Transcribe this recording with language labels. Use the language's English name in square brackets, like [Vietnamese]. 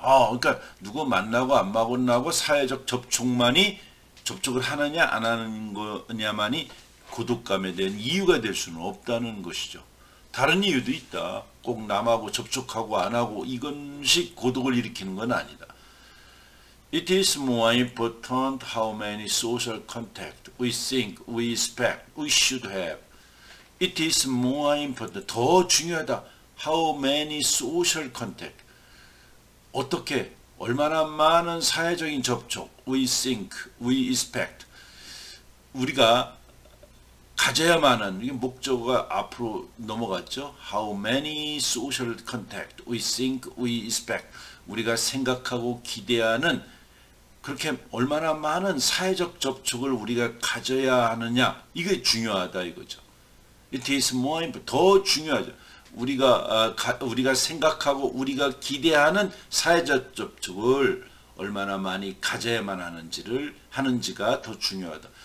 [Korean] 그러니까 누구 만나고 안 만나고 사회적 접촉만이 접촉을 하느냐 안 하는 거냐만이 고독감에 대한 이유가 될 수는 없다는 것이죠. 다른 이유도 있다. 꼭 남하고 접촉하고 안 하고 이건식 고독을 일으키는 건 아니다. [English] It is more important how many social contact we think, we expect, we should have. It is more important, [Korean] 더 중요하다. [English] How many social contact, [Korean] 어떻게, 얼마나 많은 사회적인 접촉, [English] we think, we expect. [Korean] 우리가 가져야만 하는, 이게 목적어가 앞으로 넘어갔죠. [English] How many social contact, we think, we expect. [Korean] 우리가 생각하고 기대하는 그렇게 얼마나 많은 사회적 접촉을 우리가 가져야 하느냐 이게 중요하다 이거죠. [English] It is more important. [Korean] 더 중요하죠. 우리가 생각하고 우리가 기대하는 사회적 접촉을 얼마나 많이 가져야만 하는지가 더 중요하다.